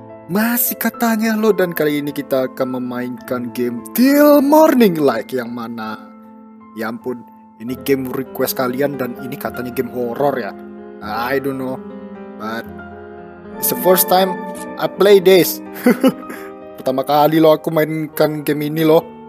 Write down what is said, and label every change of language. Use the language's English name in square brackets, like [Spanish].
[Indonesian] Masih katanya lo, dan kali ini kita akan memainkan game Till Morning Light yang mana? Ya ampun, ini game request kalian dan ini katanya game horror ya? [English] I don't know, but it's the first time I play this. [Indonesian] Pertama kali lo aku mainkan game ini lo.